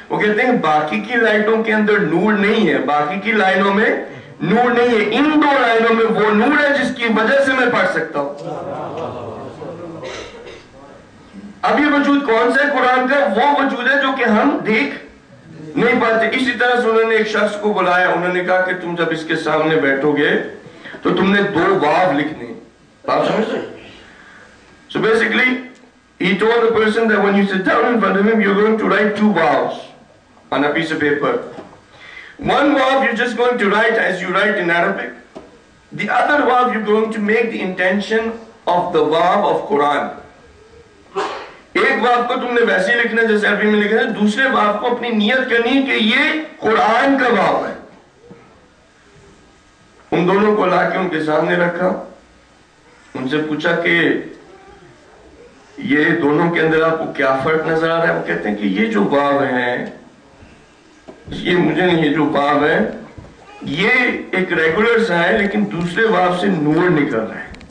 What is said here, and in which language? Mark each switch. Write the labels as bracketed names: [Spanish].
[Hindi] वो कहते हैं बाकी की लाइनों के अंदर नूर नहीं है, बाकी की लाइनों में नूर नहीं है, इन दो लाइनों में वो नूर है जिसकी वजह से मैं पढ़ सकता हूं। अब ये वजूद कौन सा है कुरान का? वो वजूद है जो कि हम देख नहीं पाते। इसी तरह से उन्होंने एक शख्स को बुलाया, उन्होंने कहा कि तुम जब इसके सामने बैठोगे तो तुमने दो वाव लिखने। आप समझ रहे? [English] So basically, he told the person that when you sit down in front of him, you're going to write two vowels on a piece of paper. One vowel you're just going to write as you write in Arabic. The other vowel you're going to make the intention of the vowel of Quran. [Hindi] एक वाव को तुमने वैसे ही लिखना जैसे अरबी में लिखे थे, दूसरे वाव को अपनी नियत करनी है कि ये कुरान का वाव है। उन दोनों को लाके उनके सामने रखा, उनसे पूछा कि ये दोनों के अंदर आपको क्या फर्क नजर आ रहा है। वो कहते हैं कि ये जो वाव है, ये मुझे नहीं, ये जो वाव है ये एक रेगुलर सा है लेकिन दूसरे वाव से नूर निकल रहा है।